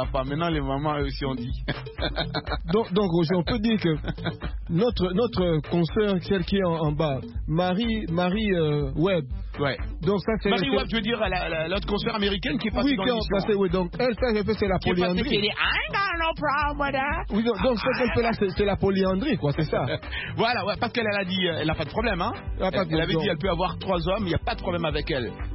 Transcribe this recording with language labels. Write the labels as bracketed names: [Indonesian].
[French] Maintenant, les mamans, eux aussi, on dit. donc, Roger, on peut dire que notre consoeur, celle qui est en bas, Marie Webb. Ouais. Donc ça c'est Marie Webb, tu veux dire l'autre concert américaine qui est passée dans l'histoire. Passé, oui, donc elle ça j'ai fait c'est la polyandrie. Qui est passée, qui dit, [English] I got no problem with that. [French] Oui, donc ça qu'elle fait là c'est la polyandrie quoi, c'est ça. Voilà, ouais, parce qu'elle a dit elle a pas de problème hein. Elle avait dit elle peut avoir trois hommes, il y a pas de problème avec elle.